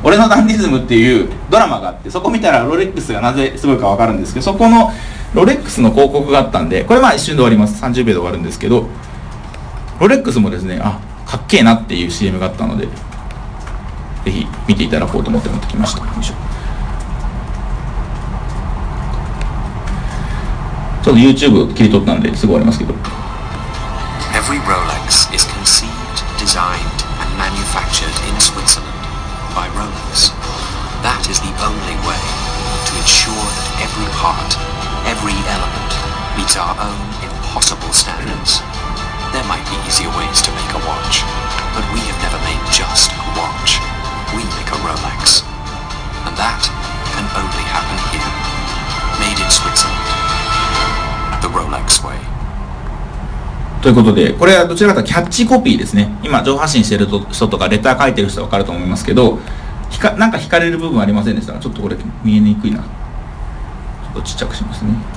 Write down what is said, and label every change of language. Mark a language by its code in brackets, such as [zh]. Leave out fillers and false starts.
[ja] 俺のダンディズムっていうドラマがあって、そこ見たらロレックスがなぜすごいか分かるんですけど、そこのロレックスの広告があったんで、これまあ一瞬で終わります、30秒で終わるんですけど、ロレックスもですね、あ、かっけえなっていう CM があったので、ぜひ見ていただこうと思って持ってきました。よいしょ。ちょっと YouTube 切り取ったんですぐ終わりますけど。 [en] Every Rolex is conceived, designed and manufactured in Switzerland by Rolex. That is the only way to ensure that every part, every element meets our own impossible standards. There might be easier ways to make a watch, but we have never made just a watch. We make a Rolex. And that can only happen here. Made in Switzerland. [ja] ということで、これはどちらかというとキャッチコピーですね。今上発信してる人とかレター書いてる人は分かると思いますけど、なんか惹かれる部分ありませんでしたか？ちょっとこれ見えにくいな、ちょっとちっちゃくしますね。